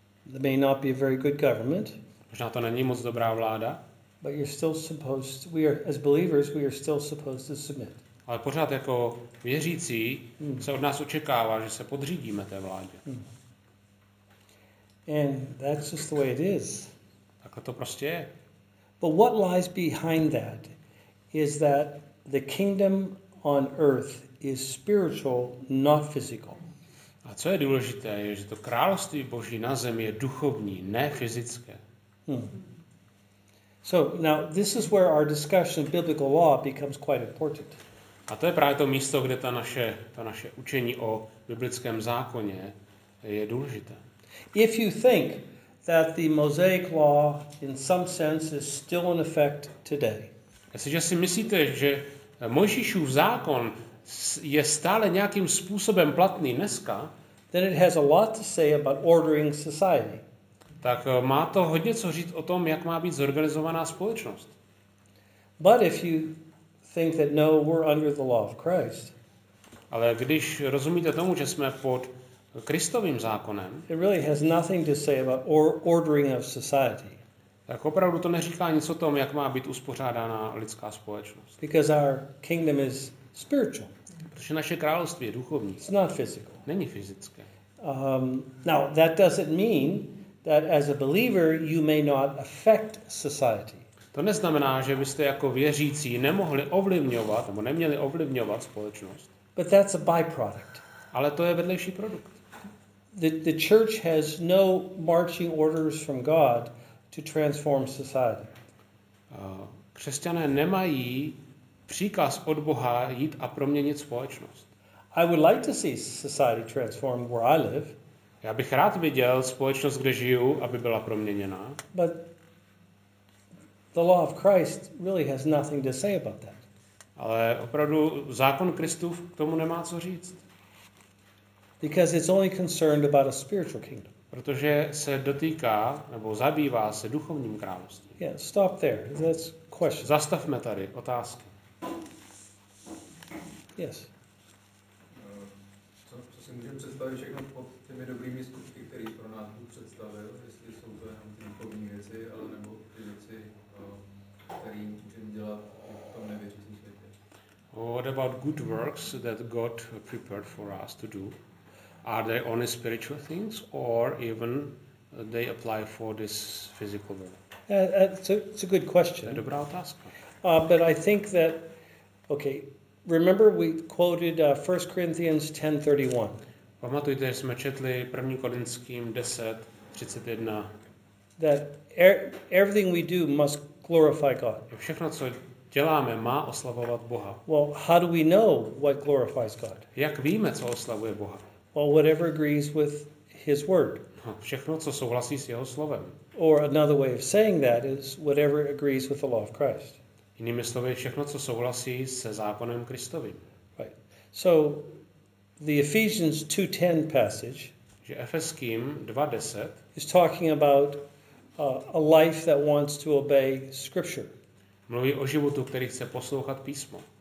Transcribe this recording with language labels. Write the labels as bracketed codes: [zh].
[en] They may not be a very good government. [cs] Možná to není moc dobrá vláda. [en] But you're still supposed to, we are still supposed to submit. [cs] Ale pořád jako věřící se od nás očekává, že se podřídíme té vládě. [en] And that's just the way it is. [cs] Tak to prostě je. [en] But what lies behind that is that the kingdom on earth is spiritual, not physical. [cs] A co je důležité, je, že to království Boží na zemi je duchovní, ne fyzické. [en] So now this is where our discussion of biblical law becomes quite important. [cs] A to je právě to místo, kde to naše učení o biblickém zákoně je důležité. [en] If you think that the Mosaic law in some sense is still in effect today. [cs] Jestliže si myslíte, že Mojžíšův zákon je stále nějakým způsobem platný dneska, [en] then it has a lot to say about ordering society. [cs] tak má to hodně co říct o tom, jak má být zorganizovaná společnost. [en] But if you think that no, we're under the law of Christ. [cs] Ale když rozumíte tomu, že jsme pod Kristovým zákonem, [en] it really has nothing to say about ordering of society. [cs] Tak opravdu to neříká nic o tom, jak má být uspořádána lidská společnost. [en] Because our kingdom is spiritual. [cs] Protože naše království je duchovní. [en] It's not physical. [cs] Není fyzické. [en] Now that doesn't mean that as a believer you may not affect society. [cs] To neznamená, že byste jako věřící nemohli ovlivňovat nebo neměli ovlivňovat společnost. [en] But that's a byproduct. [cs] Ale to je vedlejší produkt. [en] The church has no marching orders from God to transform society. [cs] Křesťané nemají příkaz od Boha jít a proměnit společnost. [en] I would like to see society transformed where I live. [cs] Já bych rád viděl společnost, kde žiju, aby byla proměněna. [en] But the law of Christ really has nothing to say about that. [cs] Ale opravdu zákon Kristův k tomu nemá co říct. [en] Because it's only concerned about a spiritual kingdom. [cs] Protože se dotýká nebo zabývá se duchovním královstvím. [en] Yeah, stop there. That's question. [cs] Zastavme tady otázky. [en] Yes. [cs] Co si můžeme představit všechno pod těmi dobrými skutky, které pro nás Bůh představil, jestli jsou to jenom ty duchovní věci, ale nebo ty věci, které můžeme dělat v tom nevěřícím světě. [en] What about good works that God prepared for us to do? Are they only spiritual things, or even they apply for this physical world? It's a good question. [cs] Dobrá otázka. [en] But I think that, okay, remember we quoted 1 Corinthians 10:31. [cs] Pamatujte, jsme četli 1. Korinským 10:31. [en] That everything we do must glorify God. [cs] Všechno, co děláme, má oslavovat Boha. [en] Well, how do we know what glorifies God? [cs] Jak víme, co oslavuje Boha? [en] Or whatever agrees with his word. [cs] No, všechno, co souhlasí s jeho slovem. [en] Or another way of saying that is whatever agrees with the law of Christ. [cs] Jinými slovy, všechno, co souhlasí se zákonem Kristovým. [en] Right. So the Ephesians 2:10 passage, [cs] že Efeským 2:10, [en] is talking about a life that wants to obey scripture. [cs] Mluví o životu, který chce poslouchat písmo.